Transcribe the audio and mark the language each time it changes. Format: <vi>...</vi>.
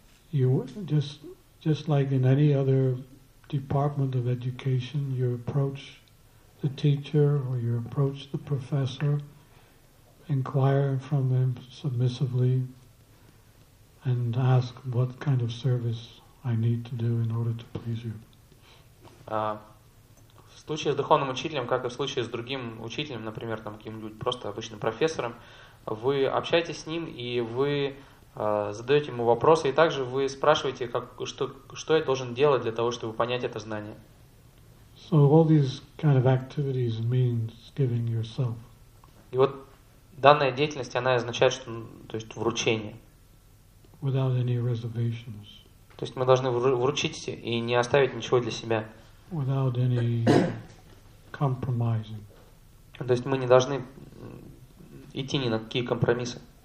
<en>You just like in any other department of education, you approach the teacher or you approach the professor, inquire from him submissively, and ask what kind of service I need to do in order to please you.</en> <ru>В случае с духовным учителем, как и в случае с другим учителем, например, там каким-нибудь просто обычным профессором, вы общаетесь с ним и вы задаете ему вопросы, и также вы спрашиваете, что я должен делать для того, чтобы понять это знание.</ru> <en>So all these kind of activities means giving yourself.</en> <ru>И вот данная деятельность, она означает, что, то есть, вручение.</ru> <en>Without any reservations.</en> <ru>То есть мы должны вручить и не оставить ничего для себя.</ru> <en>Without any compromising.</en> <ru>То есть мы не должны идти ни на какие компромиссы.</ru>